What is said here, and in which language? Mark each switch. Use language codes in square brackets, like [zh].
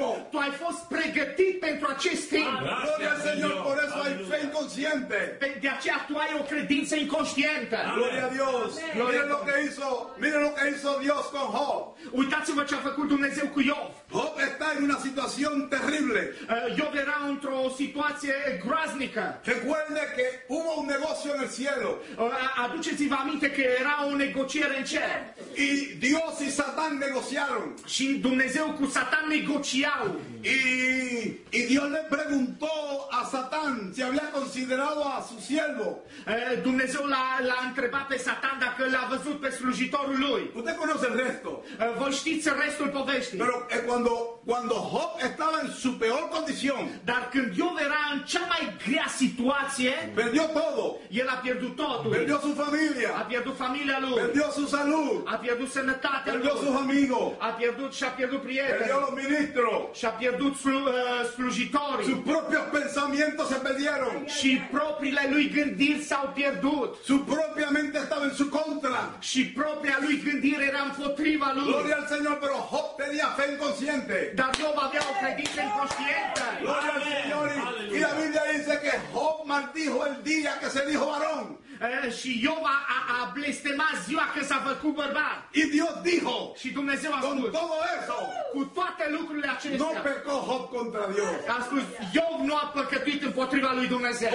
[ro] Tu ai fost pregătit pentru acest timp. [es] Gloria al Señor, por eso hay fe inconsciente. [ro] De aceea tu ai o credință inconștientă. [es] Gloria a Dios. Miren lo que hizo Dios con Job. [ro] Uitați-vă ce a făcut Dumnezeu cu Iov. [es] Job está en una situación terrible. [ro] Iov era într-o situație groaznică. [es] Recuerde que hubo un negocio en el cielo. [ro] Aduceți-vă aminte că era o negociere în cer. [es] Y Dios y Satan negociaron. [ro] Și Dumnezeu cu Satan negociau. [es] Y Dios le preguntó a Satan si había considerado a su siervo. [ro] Dumnezeu l-a întrebat pe Satan dacă l-a văzut pe slujitorul lui. [es] Usted conoce el resto. [ro] Vă știți restul poveștii. [es] Pero cuando Job estaba en su peor condición. [ro] Dar când Iov era în cea mai grea situație. [es] Perdió todo. [ro] El a pierdut totul. [es] Perdió su familia. [ro] A pierdut familia lui. [es] Perdió su salud. [ro] A pierdut sănătatea lui. [es] Perdió sus amigos. [ro] Și-a pierdut prieteni. [es] Perdió los ministros. [ro] Și-a pierdut slujitorii. [es] Sus propios pensamientos se perdieron. [ro] Și propriile lui gândiri s-au pierdut. [es] Su propia mente estaba en su contra. [ro] Și propria lui gândire era împotriva lui. [es] Gloria al Señor, pero Job tenía fe inconsciente. [ro] Dar Job avea o credință inconștientă. [es] Gloria al Señor. Y la Biblia dice que Job maldijo el día que se dijo varón. [ro] Și Iova a blestemat ziua când s-a făcut bărbat. [es] Y Dios dijo. [ro] Și Dumnezeu a spus. [es] Con todo eso. [ro] Cu toate lucrurile acestea. [es] No pecó Job contra Dios. [ro] A spus, Iov nu a păcătuit împotriva lui Dumnezeu.